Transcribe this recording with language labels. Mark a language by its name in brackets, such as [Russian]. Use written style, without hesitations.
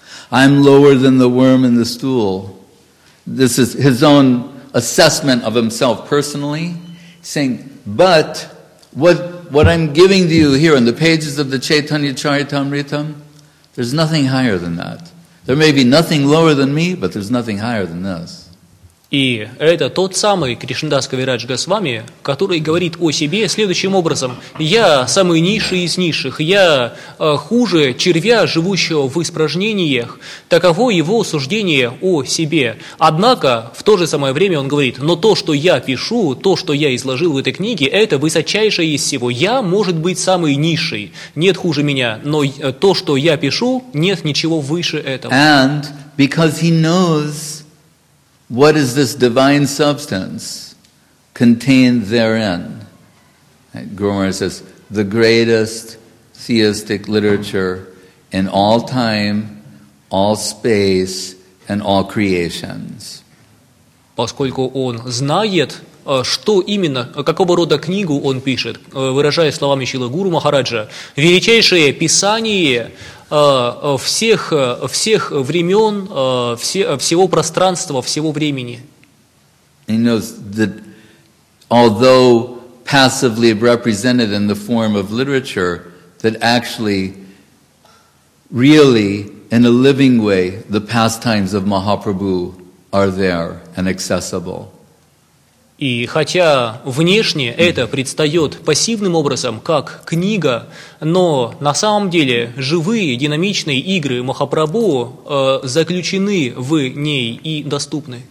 [English] I'm lower than the worm in the stool. This is his own assessment of himself personally, saying, "But what I'm giving to you here in the pages of the Chaitanya Charitamritam, there's nothing higher than that. There may be nothing lower than me, but there's nothing higher than this." [Russian] И это тот самый Кришнадас Кавирадж Госвами, который говорит о себе следующим образом. Я самый низший из низших, я хуже червя, живущего в испражнениях. Таково его суждение о себе. Однако, в то же самое время он говорит, но то, что я пишу, то, что я изложил в этой книге, это высочайшее из всего. Я, может быть, самый низший, нет хуже меня, но то, что я пишу, нет ничего выше этого. [English] And because he knows what is this divine substance contained therein? Guru Maharaj says, the greatest theistic literature in all time, all space, and all creations. [Russian] Поскольку он знает, что именно, какого рода книгу он пишет, выражая словами Шрилы Гуру Махараджа, величайшее писание всех времен, всего пространства, всего времени. [English] He knows that although passively represented in the form of literature that actually, really, in a living way, the pastimes of Mahaprabhu are there and accessible. [Russian] И хотя внешне это предстает пассивным образом, как книга, но на самом деле живые, динамичные игры Махапрабху заключены в ней и доступны.